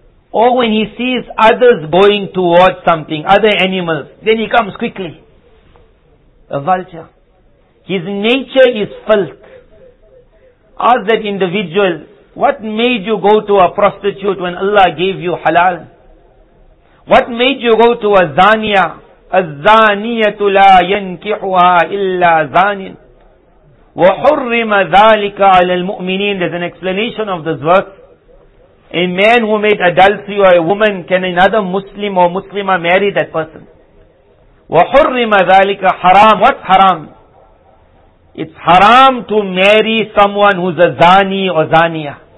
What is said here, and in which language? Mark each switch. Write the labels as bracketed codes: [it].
[en] Or when he sees others going towards something, other animals, then he comes quickly. A vulture. His nature is filth. Ask that individual, what made you go to a prostitute when Allah gave you halal? What made you go to a zaniya? [ar] الزانيه لا ينكحها الا زان وحرم ذلك على المؤمنين. [en] There's an explanation of this verse. A man who made adultery or a woman, can another Muslim or Muslima marry that person? [ar] وحرم ذلك حرام. [en] What's haram? It's haram to marry someone who's a zani or zaniya.